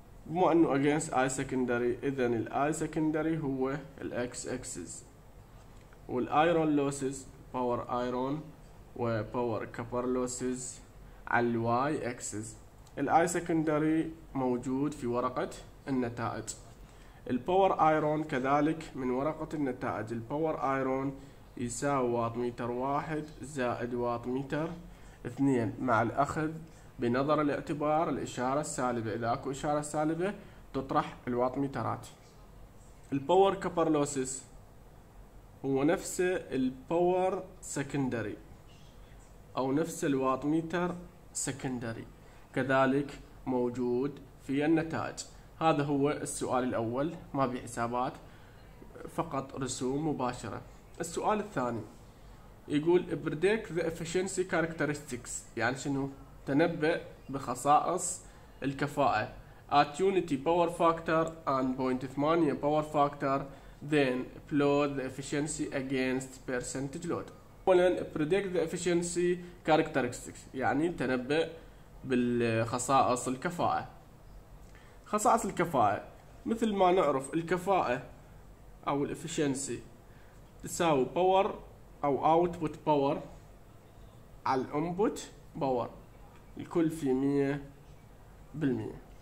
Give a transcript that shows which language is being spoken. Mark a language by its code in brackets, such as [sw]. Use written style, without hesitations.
[ar] مو انه [en] against I secondary، [ar] اذن ال I secondary هو ال X axis وال iron losses power iron و [en] power copper losses [ar] على ال Y axis. ال I secondary موجود في ورقة النتائج، ال power iron كذلك من ورقة النتائج. ال power iron يساوي واط متر واحد زائد واط متر اثنين مع الاخذ بنظر الاعتبار الإشارة السالبة. إذا أكو إشارة سالبة تطرح الواط مترات. الباور كبر لوسس هو نفس الباور سكندري أو نفس الواط متر سكندري، كذلك موجود في النتائج. هذا هو السؤال الأول، ما بحسابات، فقط رسوم مباشرة. السؤال الثاني يقول [en] predict the efficiency characteristics، [ar] يعني شنو؟ تنبأ بخصائص الكفاءة. [en] At unity power factor and 0.8 power factor then plot the efficiency against percentage load. [ar] أولاً [en] predict the efficiency characteristics، [ar] يعني تنبأ بالخصائص الكفاءة. خصائص الكفاءة، مثل ما نعرف الكفاءة أو الافشنسي تساوي power أو [en] output power [ar] على [en] input power، [ar] الكل في 100%.